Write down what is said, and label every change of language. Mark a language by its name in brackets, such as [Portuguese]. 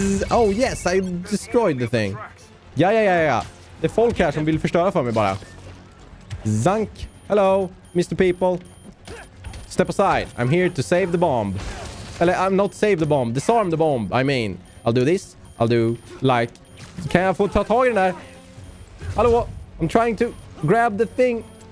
[English] Oh yes, I destroyed the thing. [Swedish] Ja. Det är folk här som vill förstöra för mig bara. [English] Zank. Hello, Mr. People. Step aside. I'm here to save the bomb. Eller, I'm not save the bomb. Disarm the bomb, I mean. I'll do this. I'll do, like... [Swedish] Kan jag få ta tag i den där? [English] Hallå, I'm trying to grab the thing.